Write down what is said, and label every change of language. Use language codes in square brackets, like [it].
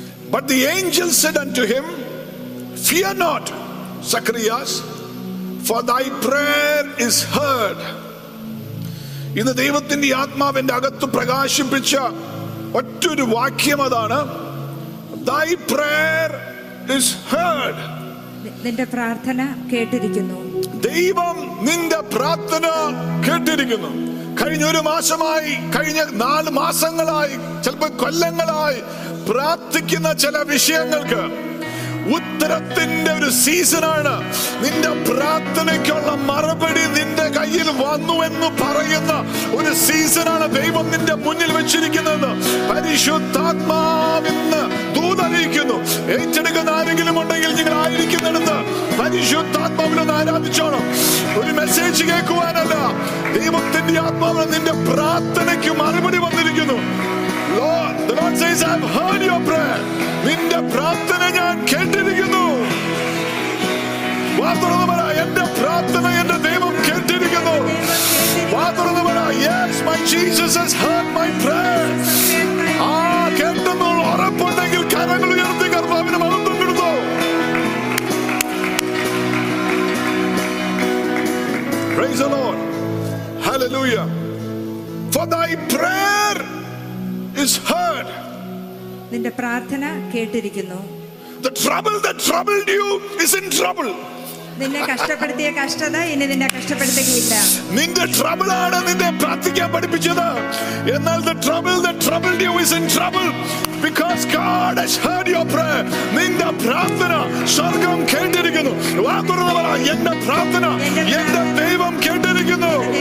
[en] But the angel said unto him, Fear not, Zacharias, for thy prayer is heard. [ml] ഇന്ന് ദൈവത്തിന്റെ ആത്മാവിന്റെ അകത്ത് പ്രകാശിപ്പിച്ച ഒറ്റൊരു വാക്യം അതാണ്, [en] Thy prayer is heard. [ml] നിന്റെ പ്രാർത്ഥന കേട്ടിരിക്കുന്നു. ദൈവം നിന്റെ പ്രാർത്ഥന കേട്ടിരിക്കുന്നു. കഴിഞ്ഞ ഒരു മാസമായി, കഴിഞ്ഞ 4 മാസങ്ങളായി, ചിലപ്പോൾ കൊല്ലങ്ങളായി പ്രാർത്ഥിക്കുന്ന ചില വിഷയങ്ങൾക്ക് ഉത്തരത്തിന്റെ ഒരു സീസണാണ്. നിന്റെ പ്രാർത്ഥനയ്ക്കുള്ള മറുപടി നിന്റെ കയ്യിൽ വന്നു എന്ന് പറയുന്ന ഒരു സീസണാണ് ദൈവം നിന്റെ മുന്നിൽ വെച്ചിരിക്കുന്നത്. പരിശുദ്ധാത്മാവിന്ന് ദൂതറിയിക്കുന്നു, ഏറ്റെടുക്കുന്ന ആരെങ്കിലും ഉണ്ടെങ്കിൽ നിങ്ങൾ ആയിരിക്കുന്നിടത്ത് പരിശുദ്ധാത്മാവിനൊന്ന് ആരാധിച്ചോണം. ഒരു മെസ്സേജ് കേൾക്കുവാനല്ല, ദൈവത്തിന്റെ ആത്മാവ് നിന്റെ പ്രാർത്ഥനയ്ക്ക് മറുപടി വന്നിരിക്കുന്നു. [en] Lord, the Lord says, I've heard your prayer. [ml] നിന്റെ പ്രാർത്ഥന ഞാൻ കേട്ടിരിക്കുന്നു. വാതുറന്നു പറ, എന്റെ പ്രാർത്ഥന എന്റെ ദൈവം കേട്ടിരിക്കുന്നു. വാതുറന്നു പറ, [en] yes, my Jesus has heard my prayer. [ml] ആ കേട്ടെന്ന് ഉറപ്പുണ്ടെങ്കിൽ കരങ്ങൾ ഉയർത്തി കർത്താവിന് മഹത്വം കൊടുത്തു. [en] Praise the Lord. Hallelujah. For thy prayer is heard. [ml] നിന്റെ പ്രാർത്ഥന കേട്ടിരിക്കുന്നു. [en] The trouble that troubled you is in trouble. [ml] നിന്നെ കഷ്ടപ്പെടുത്തിയ കഷ്ടത ഇനി നിന്നെ കഷ്ടപ്പെടുത്തുകയില്ല. നിന്റെ trouble ആണ് നിന്നെ പ്രാർത്ഥിക്കാൻ പഠിപ്പിച്ചത്. എന്നാൽ [en] the trouble that troubled you is in trouble because God has heard your prayer. [ml] നിന്റെ പ്രാർത്ഥന സ്വർഗ്ഗം കേട്ടിരിക്കുന്നു. വാ തുറന്നു പറ, എന്റെ പ്രാർത്ഥന എന്റെ ദൈവം കേട്ടിരിക്കുന്നു.